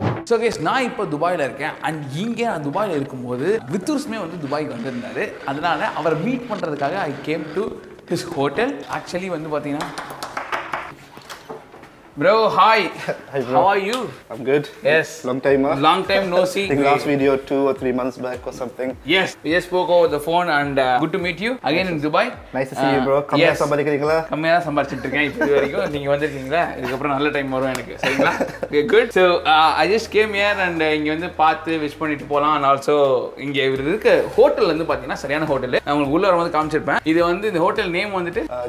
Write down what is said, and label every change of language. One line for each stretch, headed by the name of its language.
English: So guys,
Tamil: நான் இப்ப துபாயில இருக்கேன் and இங்க நான் துபாயில இருக்கும்போது வித்தூர்ஸ்மே வந்து துபாய்க்கு வந்திருந்தாரு அதனால அவரை மீட் பண்றதுக்காக
English: I came to his hotel actually
Tamil: வந்து பாத்தீங்கன்னா
English: bro hi bro. How are you? I'm good. Yes, long time no see. I think last video 2 or 3 months back or something. Yes, we just spoke over the phone and good to meet you again. Nice in Dubai. Nice to see you bro. கம்மியா
Tamil: சம்பாதிச்சிட்டு இருக்கேன் இது வரைக்கும் நீங்க வந்திருக்கீங்களா இதுக்கு அப்புறம் நல்ல time வரும் எனக்கு சரிங்களா.
English: Okay, good. So I just came here and
Tamil: இங்க வந்து பார்த்து விஷ் பண்ணிட்டு போலாம் and also இங்க இருக்க ஹோட்டல் வந்து பாத்தீங்கன்னா சரியான ஹோட்டல் நான் உங்களுக்கு உள்ள வரும்போது காமிச்சிருப்பேன். இது வந்து இந்த ஹோட்டல் நேம் வந்துட்டு